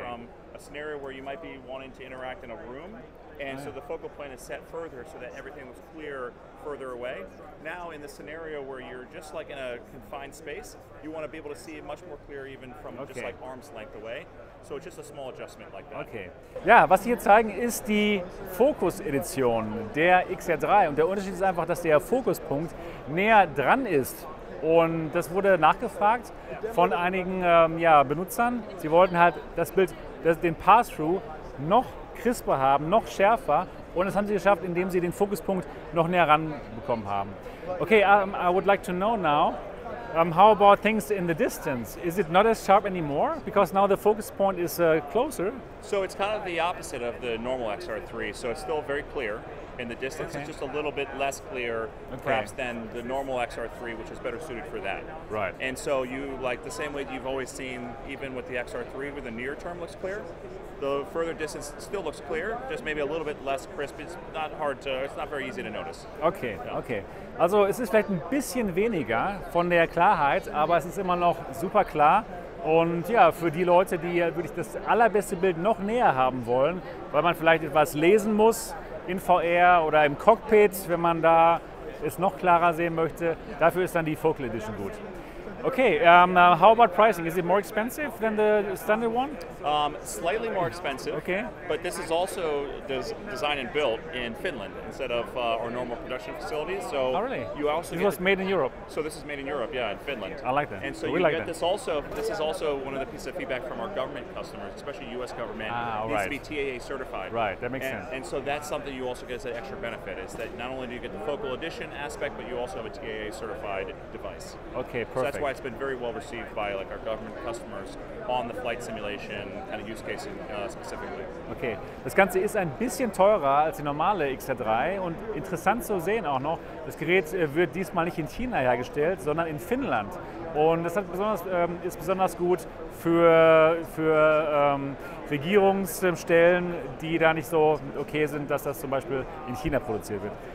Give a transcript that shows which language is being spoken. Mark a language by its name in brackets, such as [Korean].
[English] from a scenario where you might be wanting to interact in a room, and right. so the focal plane is set further so that everything was clear further away. Now, in the scenario where you're just like in a confined space, you want to be able to see it much more clear, even from okay. just like arm's length away. So it's just a small adjustment like that. Okay. [German] Ja, was Sie hier zeigen, ist die Fokus-Edition der XR3. Und der Unterschied ist einfach, dass der Fokuspunkt näher dran ist. Und das wurde nachgefragt von einigen Benutzern. Sie wollten halt das Bild, den Pass-Through noch crisper haben, noch schärfer. Und das haben sie geschafft, indem sie den Fokuspunkt noch näher ran bekommen haben. [English] Okay, I would like to know now. How about things in the distance? Is it not as sharp anymore? Because now the focus point is closer. So it's kind of the opposite of the normal XR3. So it's still very clear in the distance. Okay. It's just a little bit less clear, okay. perhaps, than the normal XR3, which is better suited for that. Right. And so you, like, the same way you've always seen, even with the XR3, where the near term looks clear, the further distance still looks clear, just maybe a little bit less crisp. It's not hard to, it's not very easy to notice. Okay, okay. [German] Also es ist vielleicht ein bisschen weniger von der Klarheit, aber es ist immer noch super klar. Und ja, für die Leute, die wirklich das allerbeste Bild noch näher haben wollen, weil man vielleicht etwas lesen muss in VR oder im Cockpit, wenn man da es noch klarer sehen möchte, dafür ist dann die Focal Edition gut. [English] Okay, how about pricing? Is it more expensive than the standard one? Slightly more expensive. Okay. But this is also designed and built in Finland instead of our normal production facilities. So oh, really? You also this was made in Europe. So this is made in Europe, yeah, in Finland. I like that. And so we you like get This also, this is also one of the pieces of feedback from our government customers, especially US government. Ah, needs right. to be TAA certified. Right, that makes and, sense. And so that's something you also get as an extra benefit, is that not only do you get the focal edition aspect, but you also have a TAA certified device. Okay, perfect. So that's why it's been very well received by like our government customers on the flight simulation kind of use case specifically. [German] Okay, das Ganze ist ein bisschen teurer als die normale XR3 und interessant zu sehen auch noch, das Gerät wird diesmal nicht in China hergestellt, sondern in Finnland. Und das ist besonders gut für Regierungsstellen, die da nicht so okay sind, dass das zum Beispiel in China produziert wird.